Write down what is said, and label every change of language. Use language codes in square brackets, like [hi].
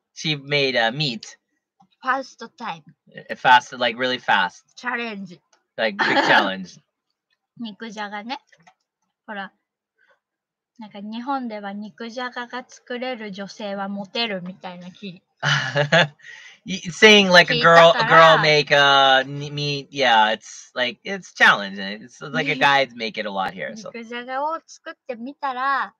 [en] She made a meat. First time. Fast, like really fast. Challenge. Like big challenge. [ja] 肉じゃがね。ほら。なんか日本では肉じゃがが作れる女性はモテるみたいな聞い。 [en] Saying like a girl make a meat, yeah, it's like it's challenging. It's like a guy's make it a lot here. So. [ja] 肉じゃがを作ってみたら。